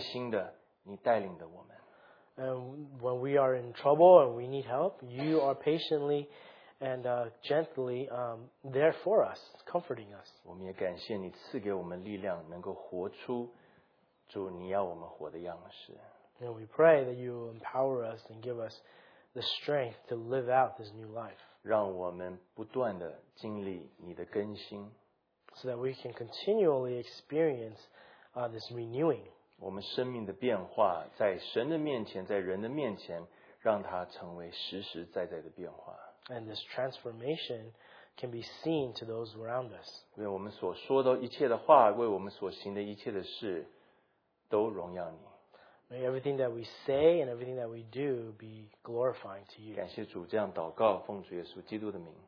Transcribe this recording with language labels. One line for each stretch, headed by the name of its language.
Chinese: 在我们软弱的时候，主你细心的、你耐心的、你带领的我们。
English: And when we are in trouble and we need help, you are patiently and gently there for us, comforting us.
Chinese: 我们也感谢你赐给我们力量，能够活出主你要我们活的样式。
English: And we pray that you will empower us and give us the strength to live out this new life.
Chinese: 让我们不断地经历你的更新,
English: so that we can continually experience this renewing.
Chinese: 我们生命的变化在神的面前，在人的面前, 让它成为实实在在的变化。
English: And this transformation can be seen to those around us.
Chinese: 为我们所说的一切的话, 为我们所行的一切的事, 都荣耀你。
English: May everything that we say and everything that we do be glorifying to you.
Chinese: 感谢主这样祷告, 奉主耶稣基督的名。